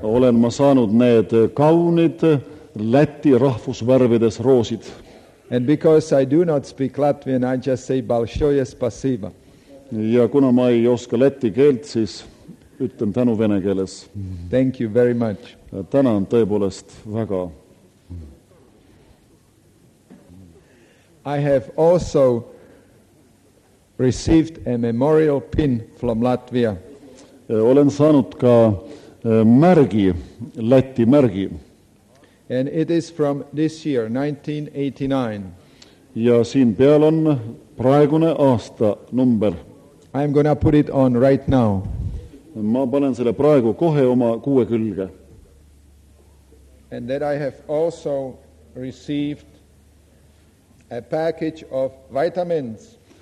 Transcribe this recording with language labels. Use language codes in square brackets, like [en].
[et] Olen ma saanud need kaunid Läti rahvusvärvides roosid. [en] And because I do not speak Latvian, I just say [ru] Balšoje spasiba. [et] Ja kuna ma ei oska läti keelt, siis ütlen tänu vene keeles. [en] Thank you very much. [et] Tänan tõepoolest väga. [en] I have also received a memorial pin from Latvia. [et] Olen saanud ka märgi, Läti märgi. [en] And it is from this year, 1989. [et] Ja siin peal on praegune aasta number. [en] I am going to put it on right now. [et] Ma panen selle praegu kohe oma kuue külge. [en] And that I have also received a package of vitamins.